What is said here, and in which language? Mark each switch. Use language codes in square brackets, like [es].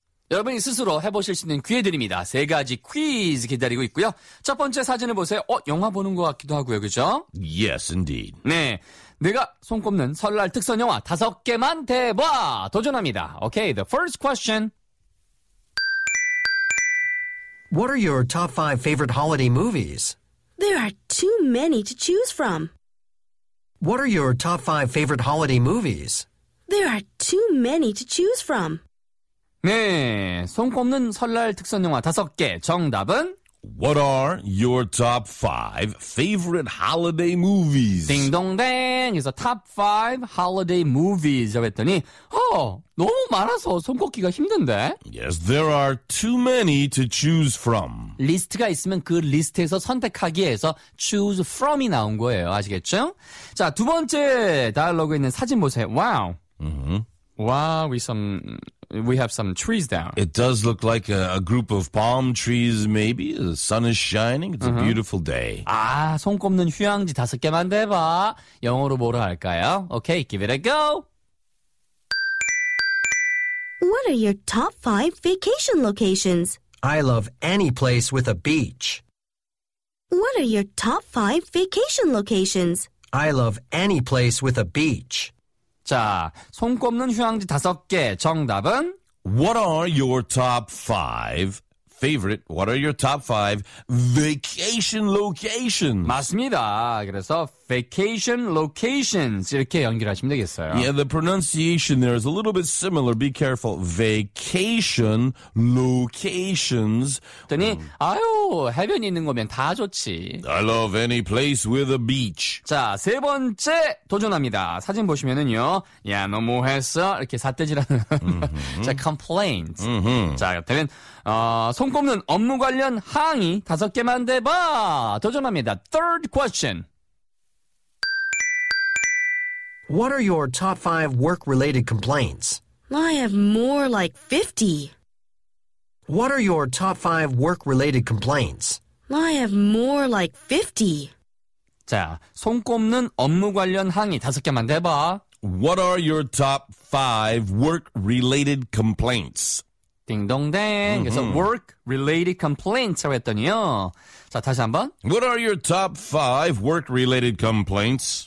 [ko] 여러분이 스스로 해보실 수 있는 기회 드립니다. 세 가지 퀴즈 기다리고 있고요. 첫 번째 사진을 보세요. 영화 보는 것 같기도 하고요. 그죠? [en] Yes, indeed. [ko] 네. 내가 손꼽는 설날 특선 영화 다섯 개만 대봐! 도전합니다. [en] Okay, the first question. What are your top five favorite holiday movies? There are too many to choose from. What are your top five favorite holiday movies? There are too many to choose from. [ko] 네, 손꼽는 설날 특선 영화 다섯 개. 정답은? [en] What are your top five favorite holiday movies? [ko] 딩동댕. 그래서 [en] top five holiday movies. [ko] 그랬더니, 너무 많아서 손꼽기가 힘든데? [en] Yes, there are too many to choose from. [ko] 리스트가 있으면 그 리스트에서 선택하기 해서 [en] choose from [ko] 이 나온 거예요. 아시겠죠? 자, 두 번째 다이얼로그에 있는 사진 보세요. [en] Wow. Mm-hmm. Wow, we have some trees down. It does look like a group of palm trees, maybe. The sun is shining. It's a beautiful day. [ko] 아, 손꼽는 휴양지 다섯 개만 대봐. 영어로 뭐라 할까요? [en] Okay, give it a go. What are your top five vacation locations? I love any place with a beach. What are your top five vacation locations? I love any place with a beach. [ko] 자, 손꼽는 휴양지 다섯 개. 정답은? [en] What are your top five favorite? What are your top five vacation locations? [ko] 맞습니다. 그래서 [en] vacation locations [ko] 이렇게 연결하시면 되겠어요. [en] Yeah, the pronunciation there is a little bit similar. Be careful. Vacation locations. [ko] 그러니 아유 해변이 있는 거면 다 좋지. [en] I love any place with a beach. [ko] 자, 세 번째 도전합니다. 사진 보시면은요. 야, 너무했어. 이렇게 삿대질하는. Mm-hmm. 자, complaint. Mm-hmm. 자, 그러면 손꼽는 업무 관련 항의 다섯 개만 대봐. 도전합니다. [en] Third question. What are your top five work-related complaints? I have more like 50. What are your top five work-related complaints? I have more like 50. [ko] 자, 손꼽는 업무 관련 항의 다섯 개만 대봐. [en] What are your top five work-related complaints? [ko] 딩동댕. Mm-hmm. 그래서 [en] work-related complaints [ko] 라고 했더니요. 자, 다시 한 번. [en] What are your top five work-related complaints?